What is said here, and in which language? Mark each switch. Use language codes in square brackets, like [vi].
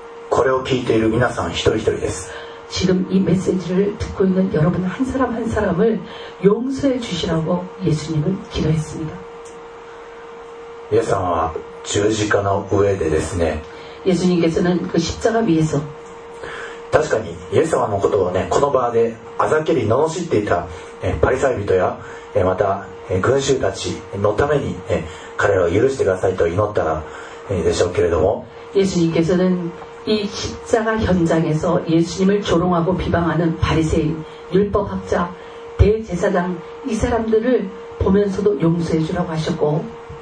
[ja] これを聞いている皆さん一人一人です。 [ko] 지금이메시지를듣고있는여러분한사람한사람을용서해주시라고예수님은기도했습니다。 [ja] イエス様は十字架の上でですね。 [ko] 예수님께서는그십자가위에서 [ja] 確かにイエス様のことをねこの場であざけり罵っていたパリサイ人やまた群衆たちのために彼らを許してくださいと祈ったらでしょうけれども [ko] 예수님께서는이십자가현장에서예수님을조롱하고비방하는바리새인율법학자대제사장이사람들을보면서도용서해주라고하셨고